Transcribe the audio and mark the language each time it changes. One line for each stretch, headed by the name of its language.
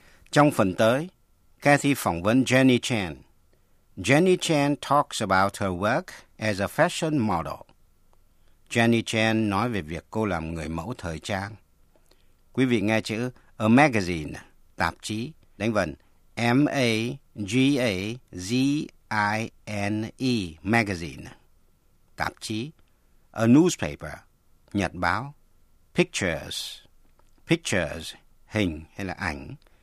Vietnamese: Trong phần tới, Cathy phỏng vấn Jenny Chan.
English: Jenny Chan talks about her work as a fashion model.
Vietnamese: Jenny Chan nói về việc cô làm người mẫu thời trang. Quý vị nghe chữ a magazine, tạp chí, đánh vần M-A-G-A-Z-I-N-E, magazine, tạp chí. A newspaper, nhật báo. Pictures, pictures, hình hay là ảnh.